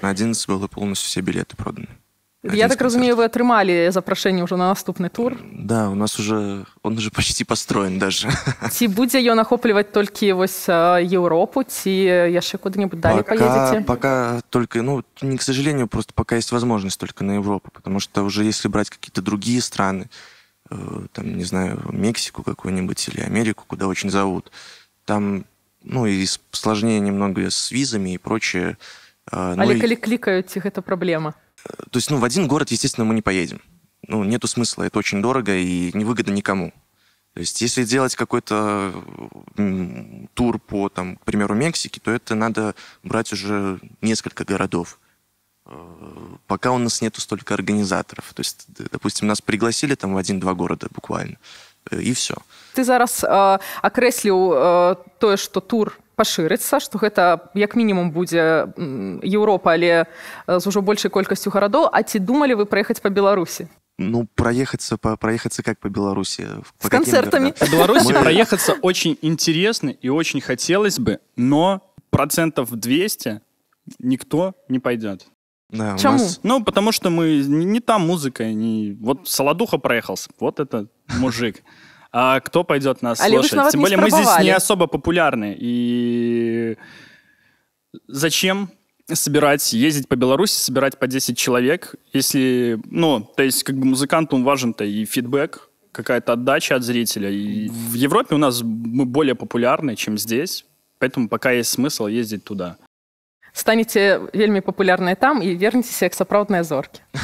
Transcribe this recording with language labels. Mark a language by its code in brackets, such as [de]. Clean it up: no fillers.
[ru] на 11 было полностью все билеты проданы. [be] Я так разумею, вы атрымалі запрашэнне ўжо на наступны тур? [ru] Да, у нас уже, он уже почти построен даже. [be] Ці будзе ён ахопліваць толькі вось Европу, ці яшчэ куды-небудзь далі паедзеце? [ru] Пока только, ну, не к сожалению, просто пока есть возможность только на Европу, потому что уже если брать какие-то другие страны, там, не знаю, Мексику какую-нибудь или Америку, куда очень зовут, там, ну, и сложнее немного с визами и прочее. [be] Але калі клікаюць, ці гэта праблема? [ru] То есть, ну, в один город, естественно, мы не поедем. Ну, нету смысла, это очень дорого и невыгодно никому. То есть, если делать какой-то тур по, там, к примеру, Мексике, то это надо брать уже несколько городов. Пока у нас нету столько организаторов. То есть, допустим, нас пригласили там в 1-2 города буквально, и все. Ты зараз окреслил то, что тур... [be] пашырыцца, што гэта як мінімум будзе Еўропа, але з ужо большай колькасцю гарадоў. А ці думалі вы праехаць па Беларусі? [ru] Ну, проехаться, проехаться как по Беларуси? С концертами. По Беларуси проехаться очень интересно и очень хотелось бы, но процентов 200 никто не пойдет. [be] Да, чому? Нас... [ru] Ну, потому что мы не там музыка, не... вот Солодуха проехался, вот это мужик. А кто пойдет нас слушать? Тем более мы здесь не особо популярны. И зачем собирать, ездить по Беларуси, собирать по 10 человек, если, ну, то есть как бы музыкантам важен-то и фидбэк, какая-то отдача от зрителя. И в Европе у нас мы более популярны, чем здесь, поэтому пока есть смысл ездить туда. [be] Станете вельмі популярныя там і вернецеся як сапраўдныя зоркі.